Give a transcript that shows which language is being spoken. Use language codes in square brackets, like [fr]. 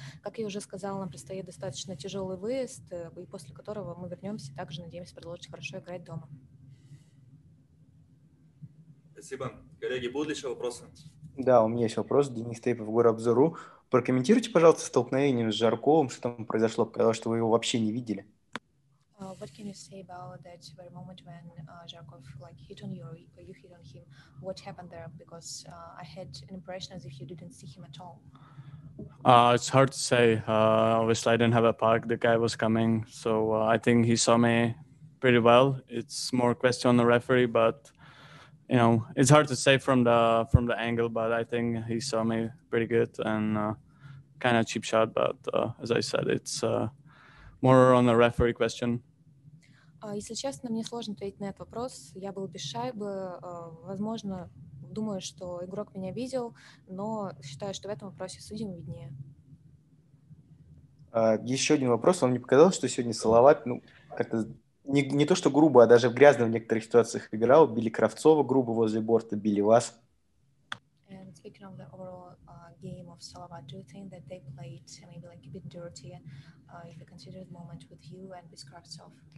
[ru] Как я уже сказала, нам предстоит достаточно тяжелый выезд, и после которого мы вернемся, также надеемся продолжить хорошо играть дома. Спасибо. Коллеги, будут ли еще вопросы? Да, у меня есть вопрос. Денис Тейпов, Горобзору. Прокомментируйте, пожалуйста, столкновение с Жарковым, что там произошло, показалось, что вы его вообще не видели. [en] What can you say about that very moment when Zharkov hit on you, or you hit on him? What happened there? Because I had an impression as if you didn't see him at all. It's hard to say. Obviously, I didn't have a puck. The guy was coming, so I think he saw me pretty well. It's more a question on the referee, but it's hard to say from the angle. But I think he saw me pretty good and kind of cheap shot. But as I said, it's. More on the referee question. [ru] Если честно, мне сложно ответить на этот вопрос. Я был без шайбы. Возможно, думаю, что игрок меня видел, но считаю, что в этом вопросе судьям виднее. Еще один вопрос. Вам не показалось, что сегодня Салават, как-то не то, что грубо, а даже грязно в некоторых ситуациях играл? Били Кравцова грубо возле борта, били вас? [en] And speaking of the overall game of Салават, do you think that they played maybe like a bit dirty? If you consider the moment with you and with Kravtsov?